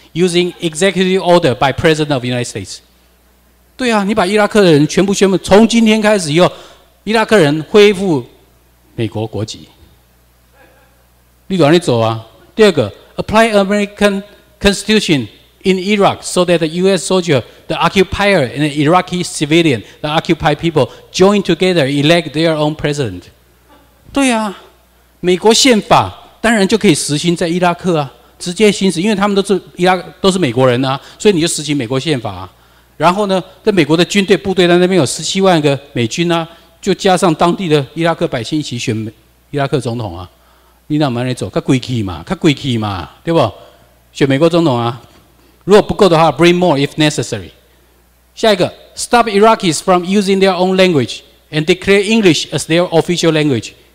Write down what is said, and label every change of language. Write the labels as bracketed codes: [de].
[en] Using executive order by President of the United States。 [zh] 对啊，你把伊拉克人全部宣布从今天开始以后伊拉克人恢复美国国籍，你往里走啊。第二个 [en] Apply American Constitution in Iraq so that the US soldier, the occupier and the Iraqi civilian, the occupied people join together elect their own president。 [zh] 对啊，美国宪法当然就可以实行在伊拉克啊，直接行使，因为他们都是伊拉都是美国人啊，所以你就实行美国宪法啊。然后呢，在美国的军队部队在那边有17万个美军啊，就加上当地的伊拉克百姓一起选伊拉克总统啊。你哪门来走？较规矩嘛，较规矩嘛，对不？选美国总统啊。如果不够的话 ， [en] bring more if necessary。 [zh] 下一个 [en] ，stop Iraqis from using their own language and declare English as their official language。